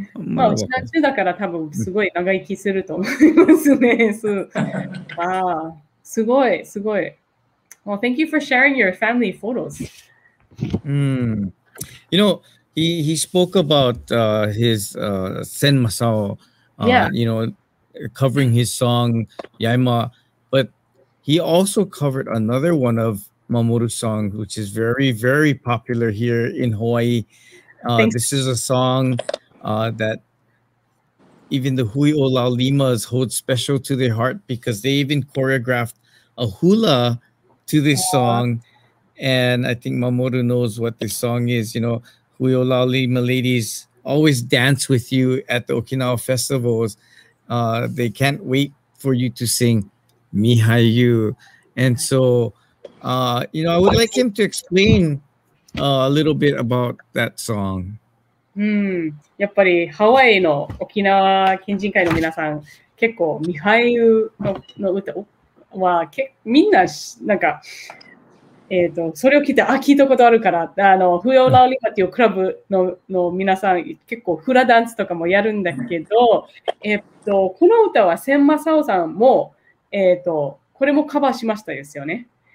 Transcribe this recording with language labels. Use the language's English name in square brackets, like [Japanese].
[Japanese] まあ、うちの中だから多分すごい長生きすると思いますね。そう。ああ、すごい、すごい。 [English] Well, thank you for sharing your family photos. You know, he spoke about his Sen Masao, you know, covering his song Yaima, but he also covered another one of Mamoru's song, which is very, very popular here in Hawaii. This is a song that even the Hui Ola Limas hold special to their heart because they even choreographed a hula to this song. And I think Mamoru knows what this song is. You know, Hui Ola Lima ladies always dance with you at the Okinawa festivals. They can't wait for you to sing Mihayu. And so, you know, I would like him to explain a little bit about that song. [Japanese] やっぱりハワイの沖縄県人会の皆さん、結構 Mihayu の歌はみんななんか、それを聞いて、あ、聞いたことあるから、フヨラオリマっていうクラブ の皆さん、結構フラダンスとかもやるんだけど、この歌は千正夫さんも、これもカバーしましたですよね。